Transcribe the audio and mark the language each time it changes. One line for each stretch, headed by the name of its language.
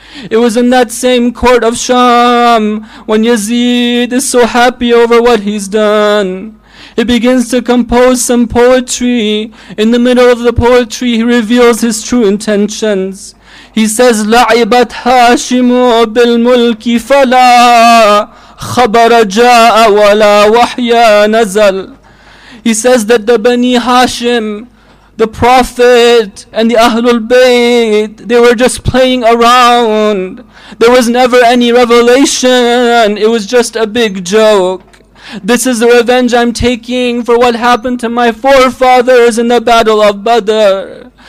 English: It was in that same court of Sham when Yazid is so happy over what he's done. He begins to compose some poetry. In the middle of the poetry, he reveals his true intentions. He says,
Arabic: لَعِبَتْ هَاشِمُ بِالْمُلْكِ فَلَا خَبَرَ جَاءَ وَلَا وَحْيَا نَزَلْ.
English: He says that the Bani Hashim, the Prophet, and the Ahlul Bayt, they were just playing around. There was never any revelation. It was just a big joke. This is the revenge I'm taking for what happened to my forefathers in the Battle of Badr.